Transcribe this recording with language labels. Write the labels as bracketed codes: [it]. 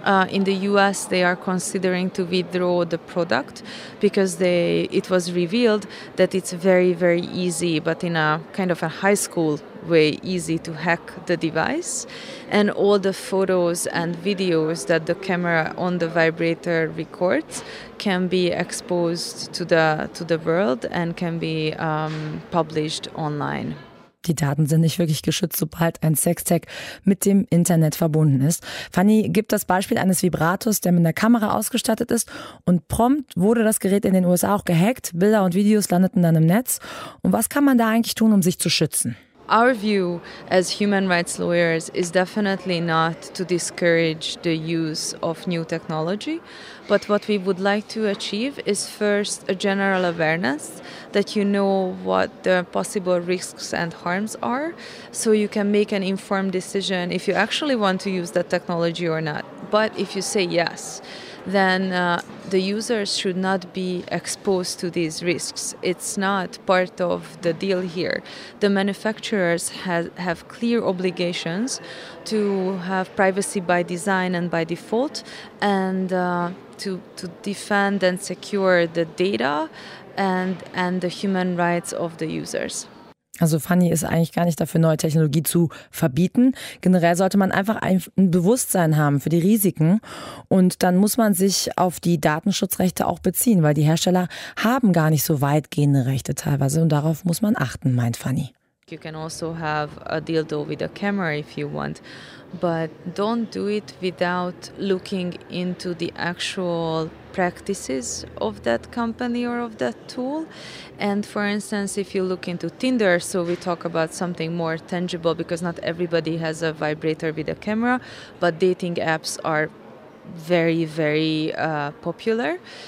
[en] In the US, they are considering to withdraw the product because it was revealed that it's very, very easy, but in a kind of a high school way, easy to hack the device. And all the photos and videos that the camera on the vibrator records can be exposed to the world and can be published online. [de] Die Daten sind nicht wirklich geschützt, sobald ein Sextag mit dem Internet verbunden ist. Fanny gibt das Beispiel eines Vibrators, der mit einer Kamera ausgestattet ist. Und prompt wurde das Gerät in den USA auch gehackt. Bilder und Videos landeten dann im Netz. Und was kann man da eigentlich tun, um sich zu schützen? [en] Our view as human rights lawyers is definitely not to discourage the use of new technology, but what we would like to achieve is first a general awareness that you know what the possible risks and harms are, so you can make an informed decision if you actually want to use that technology or not. But if you say yes, then the users should not be exposed to these risks. It's not part of the deal here. The manufacturers have clear obligations to have privacy by design and by default, and to defend and secure the data and the human rights of the users. [de] Also Fanny ist eigentlich gar nicht dafür, neue Technologie zu verbieten. Generell sollte man einfach ein Bewusstsein haben für die Risiken. Und dann muss man sich auf die Datenschutzrechte auch beziehen, weil die Hersteller haben gar nicht so weitgehende Rechte teilweise. Und darauf muss man achten, meint Fanny. [en] You can also have a dildo with a camera if you want, but don't do it without looking into the actual practices of that company or of that tool. And for instance, if you look into Tinder, so we talk about something more tangible because not everybody has a vibrator with a camera, but dating apps are very, very popular.